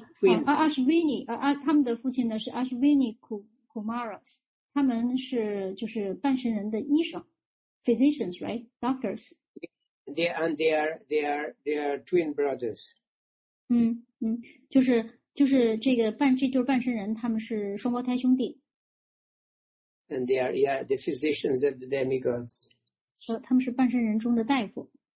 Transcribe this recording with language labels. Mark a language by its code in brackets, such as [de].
[zh] Ashwini, 他们的父亲呢是 Ashwini Kumaras, 他们是就是半神人的医生 ， [en] physicians, right, doctors. They are twin brothers. [zh] 就是这个半这就是半神人，他们是双胞胎兄弟。 [en] And they are, yeah, the physicians of the demigods. [zh] 他们是半神人中的大夫。